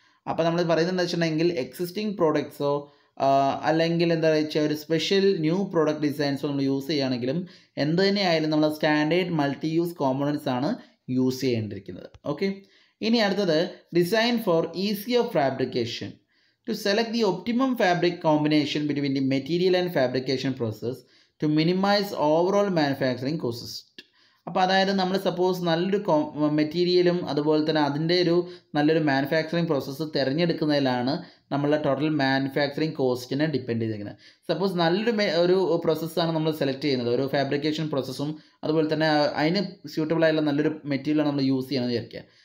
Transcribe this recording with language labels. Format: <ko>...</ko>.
<ml>അപ്പോൾ നമ്മൾ പറയുന്നത് എന്താ വെച്ചിട്ടുണ്ടെങ്കിൽ, എക്സിസ്റ്റിംഗ് പ്രോഡക്ട്സോ അല്ലെങ്കിൽ എന്താ വെച്ചാൽ ഒരു സ്പെഷ്യൽ ന്യൂ പ്രൊഡക്റ്റ് ഡിസൈൻസോ നമ്മൾ യൂസ് ചെയ്യുകയാണെങ്കിലും എന്ത് തന്നെയായാലും നമ്മൾ സ്റ്റാൻഡേർഡ് മൾട്ടി യൂസ് കോമ്പണൻസ് ആണ് യൂസ് ചെയ്യേണ്ടിരിക്കുന്നത്. ഓക്കെ, ഇനി അടുത്തത്</ml> <en>Design for easy of fabrication. To select the optimum fabric combination between the material and fabrication process to minimize overall manufacturing costs.</en> <ml>അപ്പോൾ അതായത് നമ്മൾ സപ്പോസ് നല്ലൊരു മെറ്റീരിയലും അതുപോലെ തന്നെ അതിൻ്റെ ഒരു നല്ലൊരു മാനുഫാക്ചറിങ് പ്രോസസ്സ് തിരഞ്ഞെടുക്കുന്നതിലാണ് നമ്മളെ ടോട്ടൽ മാനുഫാക്ചറിങ് കോസ്റ്റിനെ ഡിപ്പെൻഡ് ചെയ്തിരിക്കുന്നത്. സപ്പോസ് നല്ലൊരു ഒരു പ്രോസസ്സാണ് നമ്മൾ സെലക്ട് ചെയ്യുന്നത്, ഒരു ഫാബ്രിക്കേഷൻ പ്രോസസ്സും അതുപോലെ തന്നെ അതിന് സ്യൂട്ടബിൾ ആയിട്ടുള്ള നല്ലൊരു മെറ്റീരിയലാണ് നമ്മൾ യൂസ് ചെയ്യുന്നത് വിചാരിക്കുക.</ml>